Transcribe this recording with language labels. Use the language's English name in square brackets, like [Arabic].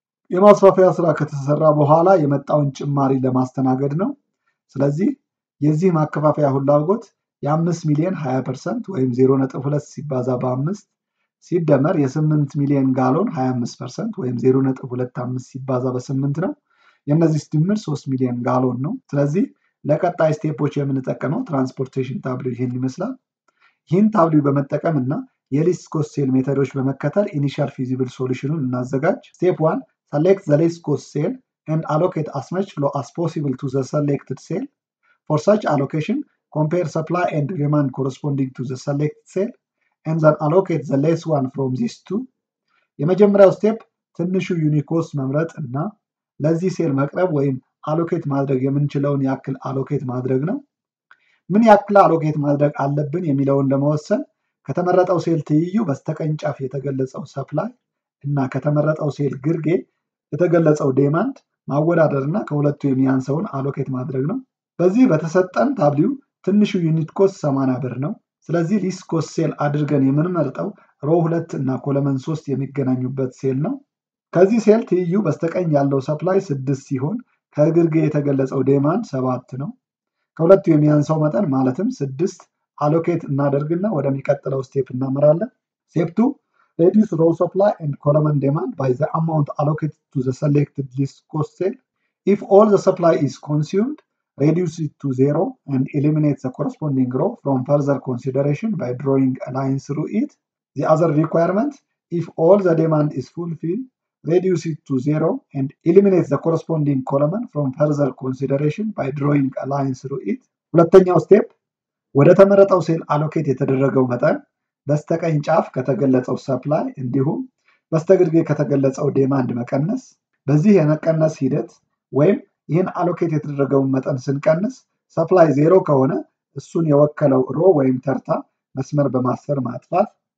[Amharic] የማስፋፊያ ስራ ከተሰራ በኋላ የመጣውን ጭማሪ ለማስተናገድ ነው። ስለዚህ የዚህ ማከፋፈያ ፍላጎት የ5 ሚሊዮን 20% ወይም 0.2 ሲባዛ በ5 ሲደመር የ8 ሚሊዮን ጋሎን 25% ወይም 0.25 ሲባዛ በ8 ነው። የነዚህ ድምር 3 ሚሊዮን ጋሎን ነው። ስለዚህ ለቀጣይ ስቴፖች የምንጠቀመው ትራንስፖርቴሽን ታብሉ ይህን ይመስላል። ይህን ታብሉ በመጠቀም እና የሊስት ኮስት ሴል ሜተዶች በመከተል ኢኒሻል ፊዚብል ሶሉሽኑን እናዘጋጅ። ስቴፕ 1 [English] select the least cost cell and allocate as much flow as possible to the selected cell. For such allocation, compare supply and demand corresponding to the selected cell and then allocate the less one from these two. [Amharic] የመጀመሪያው ስቴፕ ትንሹ ዩኒት ኮስት መምረጥ እና ለዚህ ሴል መቅረብ ወይም አሎኬት ማድረግ የምንችለውን ያክል አሎኬት ማድረግ ነው። ምን ያክል አሎኬት ማድረግ አለብን የሚለውን ለመወሰን ከተመረጠው ሴል ትይዩ በስተቀኝ ጫፍ የተገለጸው ሰፕላይ እና ከተመረጠው ሴል ግርጌ የተገለጸው ዴማንድ ማወዳደርና ከሁለቱ የሚያንሰውን አሎኬት ማድረግ ነው። በዚህ በተሰጠን ታብሊው ትንሹ ዩኒት ኮስት 80 ብር ነው። ስለዚህ ሊስት ኮስት ሴል አድርገን የምንመርጠው ሮ 2 እና ኮለመን 3 የሚገናኙበት ሴል ነው። ከዚህ ሴል ትይዩ በስተቀኝ ያለው ሰፕላይ 6 ሲሆን ከግርጌ የተገለጸው ዴማንድ 7 ነው። ከሁለቱ የሚያንሰው መጠን ማለትም 6 አሎኬት እናደርግና ወደሚቀጥለው ስቴፕ እናመራለን። ስቴፕ 2 [English] reduce raw supply and column demand by the amount allocated to the selected least cost cell. If all the supply is consumed, reduce it to zero and eliminate the corresponding row from further consideration by drawing a line through it. The other requirement, if all the demand is fulfilled, reduce it to zero and eliminate the corresponding column from further consideration by drawing a line through it. [Amharic] ሁለተኛው step, ወደ ተመረጠው ሴል አሎኬት የተደረገው መጠን በስተቀኝ ጫፍ ከተገለጸው ሰፕላይ እንዲሁም በስተግርጌ ከተገለጸው ዴማንድ መቀነስ። በዚህ የመቀነስ ሂደት ወይም ይህን አሎኬት የተደረገውን መጠን ስንቀንስ ሰፕላይ 0 ከሆነ እሱን የወከለው ሮ ወይም ተርታ መስመር በማስፈር ማጥፋት፣